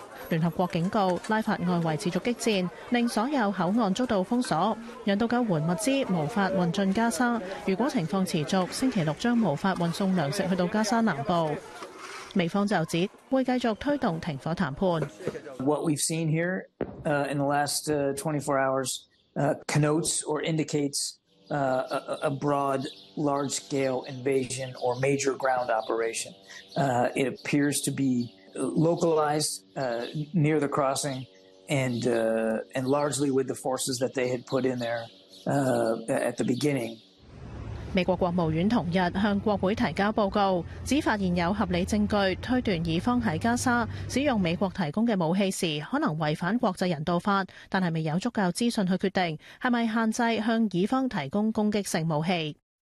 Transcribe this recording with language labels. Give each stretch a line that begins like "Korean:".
Cantonese: 聯合國警告拉法外圍持續激戰，令所有口岸遭到封鎖，人道救援物資無法運進加沙，如果情況持續，星期六將無法運送糧食去到加沙南部。美方就指會繼續推動停火談判。
English: What we've seen here in the last 24 hours connotes or indicates a broad, large-scale invasion or major ground operation. It appears to be localized near the crossing and largely with the forces that they had put in there at the beginning.
Cantonese: 美國國務院同日向國會提交報告，指發現有合理證據推斷以方在加沙使用美國提供的武器時可能違反國際人道法，但是未有足夠資訊去決定是否限制向以方提供攻擊性武器。